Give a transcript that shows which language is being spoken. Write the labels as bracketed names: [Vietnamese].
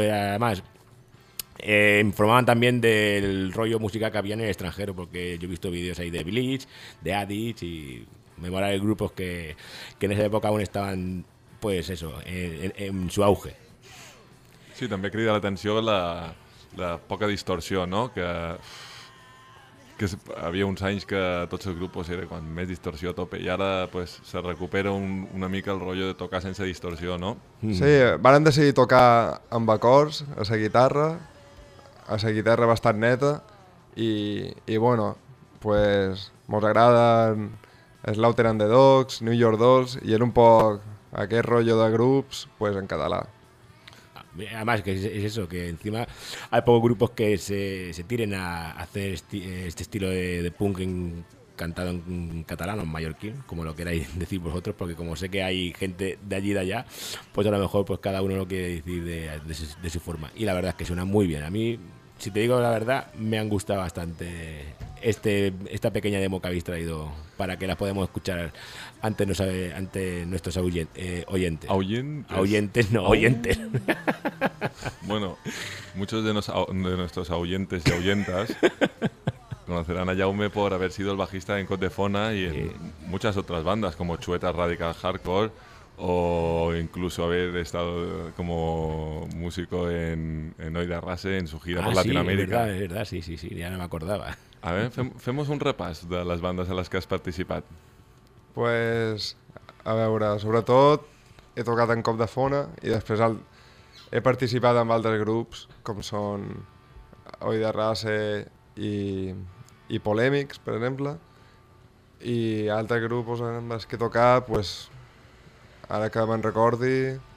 [Spanish] Además, informaban también del rollo música que había en el extranjero, porque yo he visto vídeos ahí de Bleach, de Addict, y me mola de grupos que en esa época aún estaban, pues eso, en su auge. Sí, también [Catalan] crida [Spanish] la atención la poca distorsión, ¿no? [Catalan] Que havia uns anys que tots els grups era quan més distorsió a tope, i ara pues, [Spanish] se recupera [Catalan] una mica el rotllo de tocar sense distorsió, no? Sí, varen decidir tocar amb acords, a sa guitarra bastant neta, i bueno, pues mos agraden Slaughter and the Dogs, New York Dolls, i era un poc aquest rotllo de grups pues, en català. [Spanish] Además, que es eso, que encima hay pocos grupos que se tiren a hacer este estilo de punk cantado en catalán o en mallorquín, como lo queráis decir vosotros, porque como sé que hay gente de allí y de allá, pues a lo mejor pues cada uno lo quiere decir de su forma. Y la verdad es que suena muy bien. A mí, si te digo la verdad, me han gustado bastante esta pequeña demo que habéis traído para que la podamos escuchar ante nuestros oyentes. ¿Oyentes? No, oyentes. Bueno, muchos de nuestros oyentes y oyentas conocerán a Jaume por haber sido el bajista en Cote Fona y en muchas otras bandas como Chueta Radical Hardcore, o incluso haber estado como músico en Oida Rase en su gira por Latinoamérica. Sí, es verdad, sí, ya no me acordaba. [Catalan] A ver, fem un repàs de les bandes a les que has participat. Pues, a veure, sobretot he tocat en Cop de Fona i després he participat amb altres grups com són Oida Rase i Polèmics, per exemple, i altres grups amb els que he tocat, pues, ara que me'n recordi,